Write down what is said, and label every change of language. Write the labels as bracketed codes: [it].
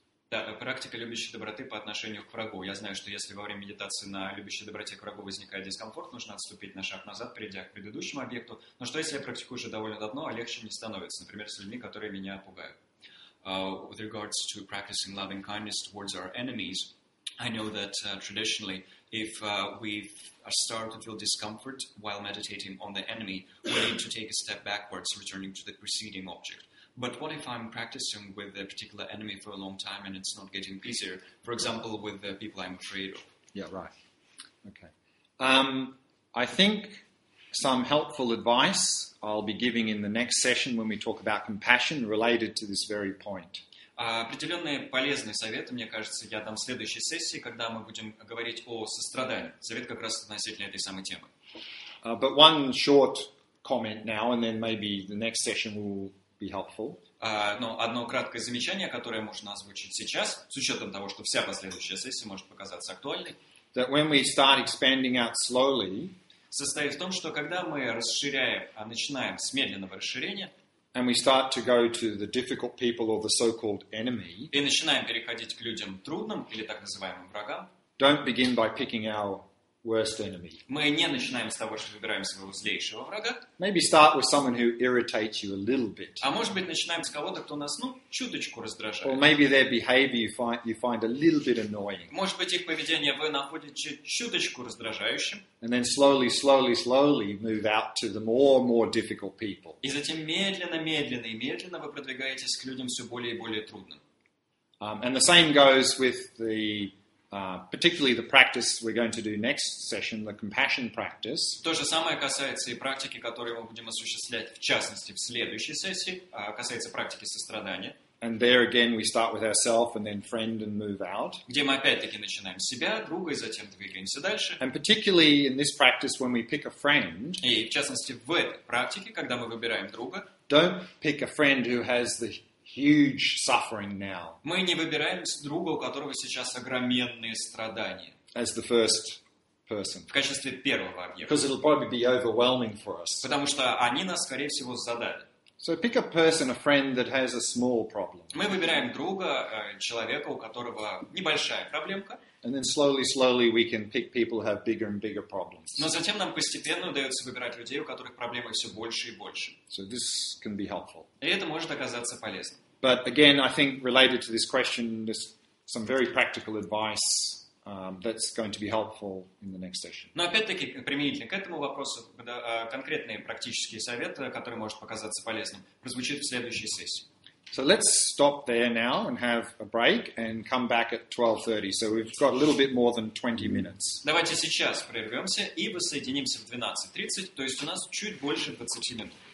[ru] Да, практика любящей доброты по отношению к врагу. Я знаю, что если во время медитации на любящей доброте к врагу возникает дискомфорт, нужно отступить на шаг назад, перейдя к предыдущему объекту. Но что если я практикую уже довольно давно, а легче не становится, например, с людьми, которые меня пугают? [en] With regards to practicing loving kindness towards our enemies, I know that traditionally if we are starting to feel discomfort while meditating on the enemy, we need to take a step backwards, returning to the preceding object. But what if I'm practicing with a particular enemy for a long time and it's not getting easier? For example, with the people I'm afraid of. Yeah, right. Okay. I think some helpful advice I'll be giving in the next session when we talk about compassion related to this very point. [ru] Определенные полезные советы, мне кажется, я дам в следующей сессии, когда мы будем говорить о сострадании. Совет как раз относительно этой самой темы. [en] But one short comment now, and then maybe the next session will be helpful. [ru] Но одно краткое замечание, которое можно озвучить сейчас, с учетом того, что вся последующая сессия может показаться актуальной. [en] That when we start expanding out slowly, [ru] состоит в том, что когда мы расширяем, а начинаем с медленного расширения, [en] and we start to go to the difficult people or the so-called enemy, [ru] и начинаем переходить к людям трудным или так называемым врагам, [en] don't begin by picking our worst enemy. [ru] Мы не начинаем с того, что выбираем своего злейшего врага. [en] Maybe start with someone who irritates you a little bit. [ru] А может быть, начинаем с кого-то, кто нас, ну, чуточку раздражает. [en] Or maybe their behavior you find a little bit annoying. [ru] Может быть, их поведение вы находите чуточку раздражающим. [en] And then slowly move out to the more difficult people. [ru] И затем медленно вы продвигаетесь к людям все более и более трудным. [en] And the same goes with the particularly the practice we're going to do next session, the compassion practice. [ru] То же самое касается и практики, которую мы будем осуществлять, в частности, в следующей сессии, касается практики сострадания. [en] And there again we start with ourselves and then friend and move out. [ru] Где мы опять-таки начинаем с себя, друга, и затем двигаемся дальше. [en] And particularly in this practice when we pick a friend. [ru] И в частности в этой практике, когда мы выбираем друга. [en] Don't pick a friend who has the huge suffering now. [ru] Мы не выбираем друга, у которого сейчас огромные страдания. [en] As the first person. [ru] В качестве первого объекта. [en] Because it'll probably be overwhelming for us. [ru] Потому что они нас, скорее всего, задавят. [en] So pick a person, a friend that has a small problem. [ru] Мы выбираем друга, человека, у которого небольшая проблемка. [en] And then slowly we can pick people who have bigger and bigger problems. [ru] Но затем нам постепенно удается выбирать людей, у которых проблемы все больше и больше. [en] So this can be helpful. [ru] И это может оказаться полезным. [en] But again, I think related to this question, there's some very practical advice that's going to be helpful in the next session. [ru] Но опять-таки, применительно к этому вопросу, конкретный практический совет, который может показаться полезным, прозвучит в следующей сессии. [en] So let's stop there now and have a break and come back at 12:30. So we've got a little bit more than 20 minutes. [ru] Давайте сейчас прервемся и воссоединимся в 12:30, то есть у нас чуть больше 20 минут.